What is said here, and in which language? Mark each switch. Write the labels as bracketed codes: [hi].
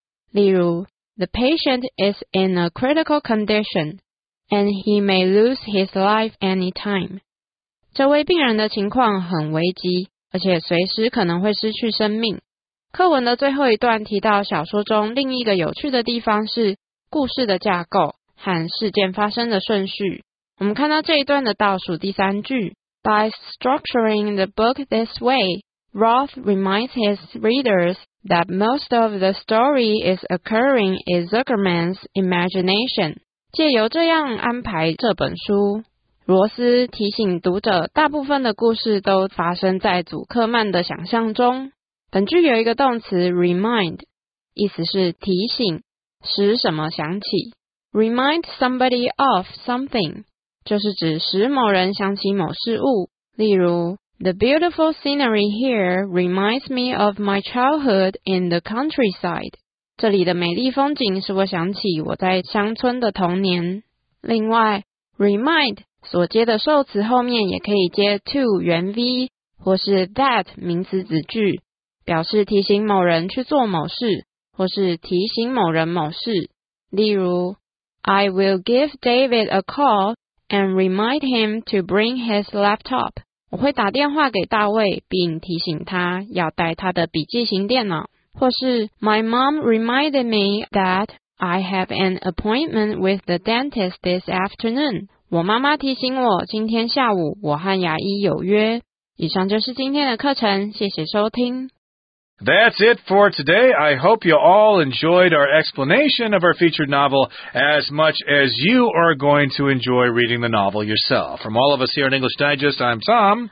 [zh] 例如 [en] ,the patient is in a critical condition, and he may lose his life anytime. [zh] 这位病人的情况很危急，而且随时可能会失去生命。课文的最后一段提到小说中另一个有趣的地方是故事的架构和事件发生的顺序。我们看到这一段的倒数第三句 [en] By structuring the book this way, Roth reminds his readers that most of the story is occurring in Zuckerman's imagination. [zh] 借由这样安排这本书，罗斯提醒读者大部分的故事都发生在祖克曼的想象中。本句有一个动词 remind, 意思是提醒，使什么想起。 [en] remind somebody of something, [zh] 就是指使某人想起某事物。例如 [en] ,the beautiful scenery here reminds me of my childhood in the countryside. [zh] 这里的美丽风景使我想起我在乡村的童年。另外 ,remind 所接的受词后面也可以接 to 原 v, 或是 that 名词子句。表示提醒某人去做某事，或是提醒某人某事。例如 [en] ,I will give David a call and remind him to bring his laptop. [zh] 我会打电话给大卫，并提醒他要带他的笔记型电脑。或是 [en] ,My mom reminded me that I have an appointment with the dentist this afternoon. [zh] 我妈妈提醒我今天下午我和牙医有约。以上就是今天的课程，谢谢收听。 [en] That's it for today. I hope you all enjoyed our explanation of our featured novel as much as you are going to enjoy reading the novel yourself. From all of us here in English Digest, I'm Tom.